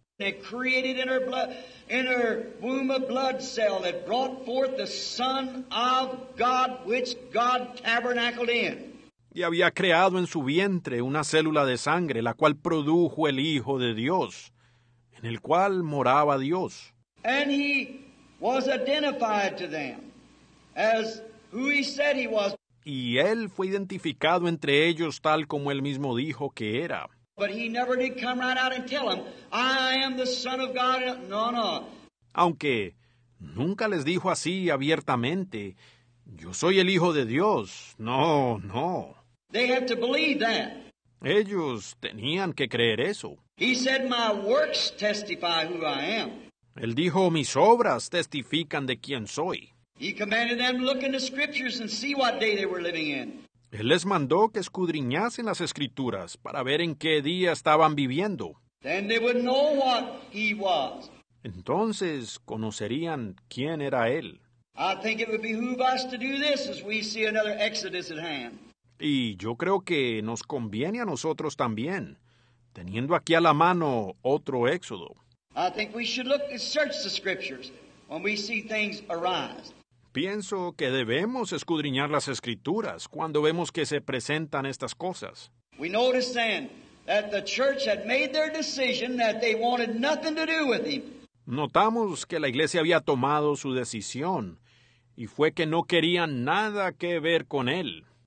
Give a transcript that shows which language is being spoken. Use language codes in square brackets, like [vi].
[en] He created in her womb a blood cell that brought forth the Son of God, which God tabernacled in. [es] Y había creado en su vientre una célula de sangre, la cual produjo el Hijo de Dios, en el cual moraba Dios. [en] And he was identified to them as who he said he was. [es] Y él fue identificado entre ellos tal como él mismo dijo que era. [en] But he never did come right out and tell them, I am the Son of God. No, no. [es] Aunque nunca les dijo así abiertamente, yo soy el Hijo de Dios. No, no. [en] They have to believe that. [es] Ellos tenían que creer eso. [en] He said, my works testify who I am. [es] Él dijo, mis obras testifican de quién soy. [en] He commanded them to look in the scriptures and see what day they were living in. [es] Él les mandó que escudriñasen las escrituras para ver en qué día estaban viviendo. [en] Then they would know what he was. [es] Entonces conocerían quién era él. [en] I think it would behoove us to do this as we see another exodus at hand. [es] Y yo creo que nos conviene a nosotros también, teniendo aquí a la mano otro éxodo. [en] I think we should look and search the scriptures when we see things arise. [es] Pienso que debemos escudriñar las escrituras cuando vemos que se presentan estas cosas. [en] We notice then that the church had made their decision that they wanted nothing to do with him. [es] Notamos que la iglesia había tomado su decisión y fue que no querían nada que ver con él.